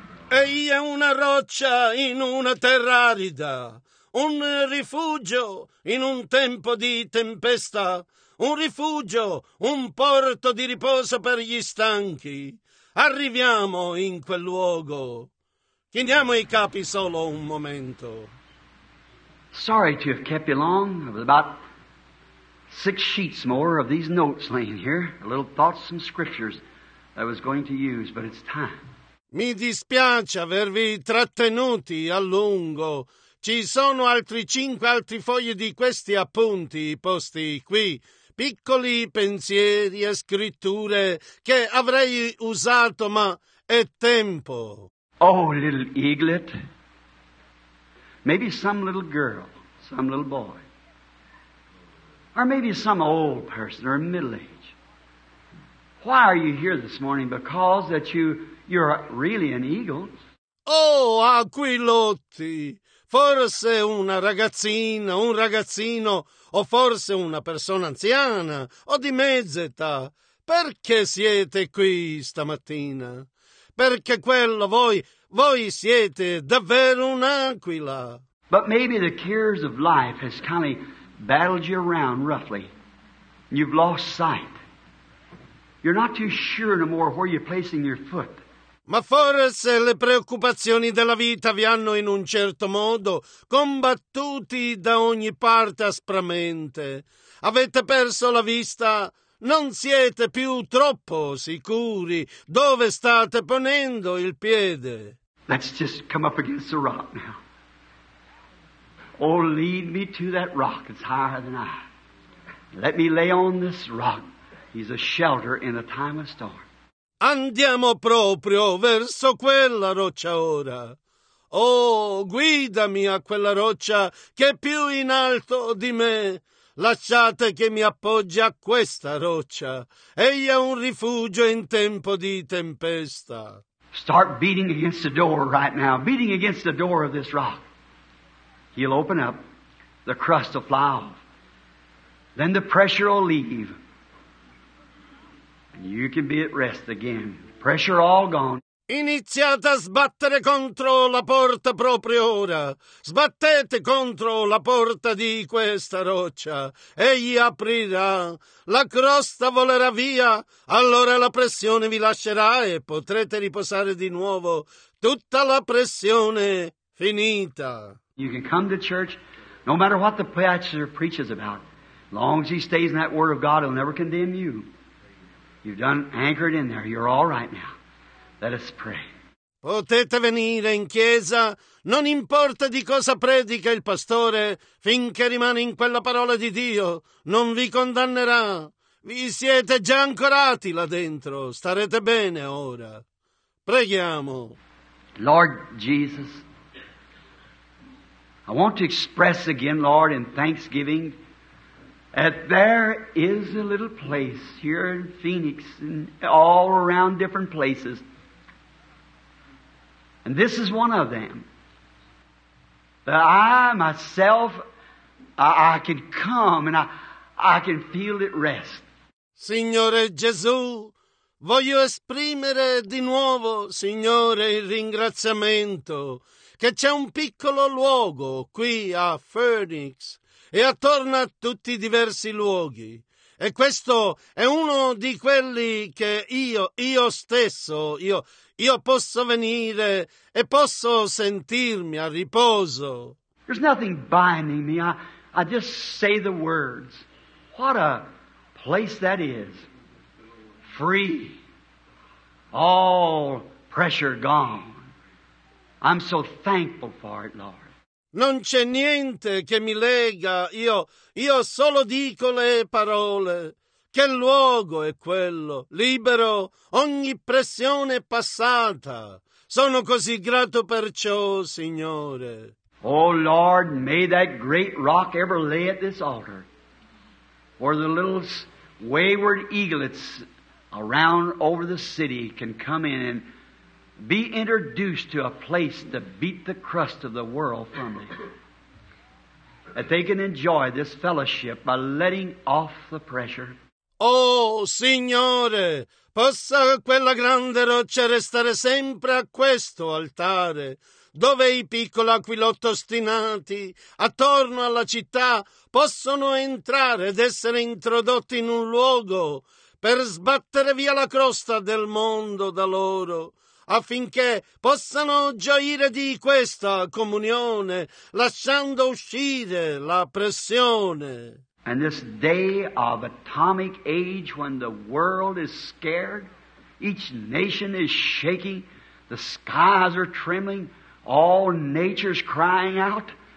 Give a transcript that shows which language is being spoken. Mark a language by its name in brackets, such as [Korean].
[Italian] Egli è una roccia in una terra arida, un rifugio in un tempo di tempesta, un rifugio, un porto di riposo per gli stanchi. Arriviamo in quel luogo. Chiniamo i capi solo un momento. [English] Sorry to have kept you long. There was about 6 sheets more of these notes laying here, a little thoughts and scriptures I was going to use, but it's time. [Italian] Mi dispiace avervi trattenuti a lungo. Ci sono altri 5 fogli di questi appunti posti qui. Piccoli pensieri e scritture che avrei usato, ma è tempo. [English] Oh, little eaglet. Maybe some little girl, some little boy. Or maybe some old person or middle age. Why are you here this morning? Because that you're really an eagle. [Italian] Oh, aquilotti! Forse una ragazzina, un ragazzino, o forse una persona anziana, o di mezza età. Perché siete qui stamattina? Perché quello voi siete davvero un'aquila. [English] But maybe the cares of life has kind of battled you around roughly. You've lost sight. You're not too sure no more where you're placing your foot. [Italian] Ma forse le preoccupazioni della vita vi hanno in un certo modo combattuti da ogni parte aspramente. Avete perso la vista? Non siete più troppo sicuri dove state ponendo il piede? [English] Let's just come up against the rock now. Oh, lead me to that rock. It's higher than I. Let me lay on this rock. He's a shelter in a time of storm. [Italian] Andiamo proprio verso quella roccia ora. Oh, guidami a quella roccia che è più in alto di me. Lasciate che mi appoggi a questa roccia. Egli è un rifugio in tempo di tempesta. [English] Start beating against the door right now. Beating against the door of this rock. He'll open up. The crust will fly off. Then the pressure will leave. You can be at rest again. Pressure all gone. [Italian] Iniziate a sbattere contro la porta proprio ora. Sbattete contro la porta di questa roccia. Egli aprirà. La crosta volerà via. Allora la pressione vi lascerà e potrete riposare di nuovo. Tutta la pressione finita. [English] You can come to church no matter what the pastor preaches about. As long as he stays in that word of God, he'll never condemn you. You've done anchored in there. You're all right now. Let us pray. [Italian] Potete venire in chiesa, non importa di cosa predica il pastore, finché rimane in quella parola di Dio, non vi condannerà. Vi siete già ancorati là dentro, starete bene ora. Preghiamo. [English] Lord Jesus, I want to express again, Lord, in thanksgiving, that there is a little place here in Phoenix and all around different places. And this is one of them. That I myself, I can come and I can feel it rest. [Italian] Signore Gesù, voglio esprimere di nuovo, Signore, il ringraziamento che c'è un piccolo luogo qui a Phoenix. E attorno a tutti i diversi luoghi. E questo è uno di quelli che io stesso posso venire e posso sentirmi a riposo. [English] There's nothing binding me. I just say the words. What a place that is. Free. All pressure gone. I'm so thankful for it, Lord. [Italian] Non c'è niente che mi lega, io solo dico le parole. Che luogo è quello? Libero, ogni pressione passata. Sono così grato per ciò, Signore. [English] Oh Lord, may that great rock ever lay at this altar, where the little wayward eaglets around over the city can come in and be introduced to a place to beat the crust of the world from it. That they can enjoy this fellowship by letting off the pressure. [Italian] Oh, Signore, possa quella grande roccia restare sempre a questo altare, dove i piccoli aquilotti ostinati attorno alla città possono entrare ed essere introdotti in un luogo per sbattere via la crosta del mondo da loro, affinché possano gioire di questa comunione, lasciando uscire la pressione. [English] And this day of atomic age, when the world is scared, each nation is shaking, the skies are trembling, all nature's crying out.